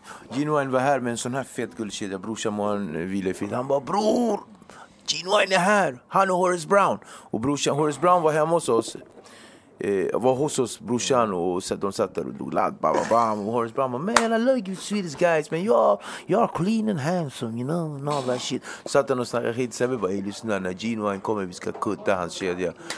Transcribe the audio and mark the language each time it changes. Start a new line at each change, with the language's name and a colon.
Swedish: Gene Wine var här med en sån här fet guldkedja. Brorsan må han vila i fint. Han bara, bror, Gene Wine är här. Han och Horace Brown. Och brorsan, Horace Brown var hemma hos oss. Var hos oss, brorsan. Och de satt där och drog ladd. Bam, bam, bam. Och Horace Brown bara,
English: man, I love you, Swedish guys. Men you are clean and handsome, you know. And all that shit.
Swedish: Satt han och snackade hit. Sen vi bara, lyssna, när Gene Wine kommer, vi ska kutta hans kedja.